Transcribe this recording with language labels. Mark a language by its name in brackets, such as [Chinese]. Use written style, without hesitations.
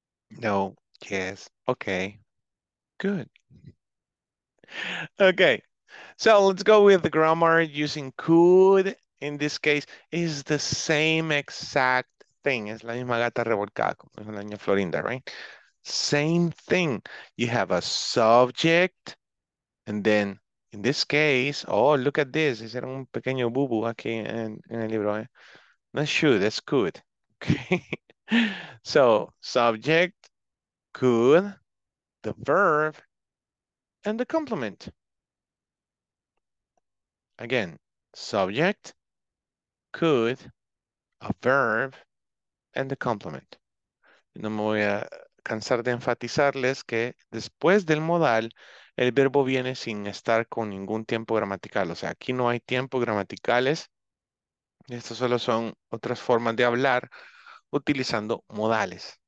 [English] No, yes, okay, good. Okay, so let's go with the grammar using could. In this case, is the same exact thing. [Spanish] Es la misma gata revolcada, como es la niña Florinda, right? [English] Same thing. You have a subject, and then in this case, oh, look at this. [Spanish] Es un pequeño bubu aquí en el libro. [English] Not sure, that's could. Okay, so subject, could, the verb, and the complement. Again, subject, could, a verb, and the complement. [Spanish] No me voy a cansar de enfatizarles que después del modal, el verbo viene sin estar con ningún tiempo gramatical. O sea, aquí no hay tiempo gramaticales. Estas solo son otras formas de hablar utilizando modales.